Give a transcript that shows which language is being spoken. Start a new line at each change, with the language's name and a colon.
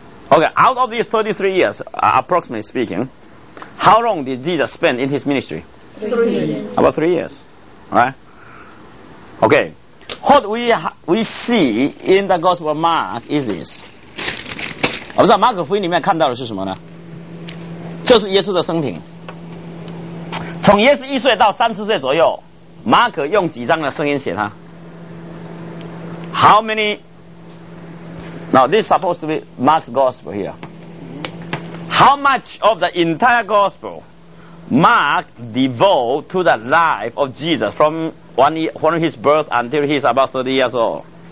English: Okay, out of these 33 years, approximately speaking, how long did Jesus spend in his ministry? 3 years. About 3 years, right? Okay. What we see in the Gospel of Mark is this.
Chinese: 我不知道马可福音里面看到的是什么呢？就是耶稣的生平。从耶稣1岁到30岁左右， 马可用几张的声音写他？
English: How many... Now, this is supposed to be Mark's Gospel here. How much of the entire Gospel Mark devote to the life of Jesus from when his birth until he is about 30 years old?